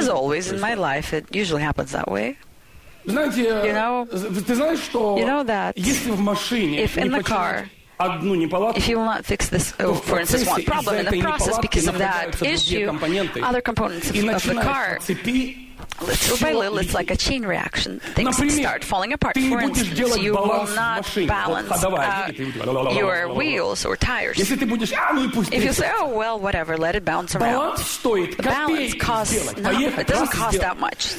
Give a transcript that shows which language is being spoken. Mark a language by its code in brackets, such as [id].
[en] As always in my life, it usually happens that way. [ru] Знаете, ты знаешь, что если в машине не починить одну неполадку, то в процессе из-за этой неполадки находятся другие компоненты, [en] other components of, [ru] и начинается цепи, [en] little by little, it's like a chain reaction. Things start falling apart. For instance, you will not balance your wheels or tires. If you say, oh, well, whatever, let it bounce around. Balance costs nothing. It doesn't cost that much.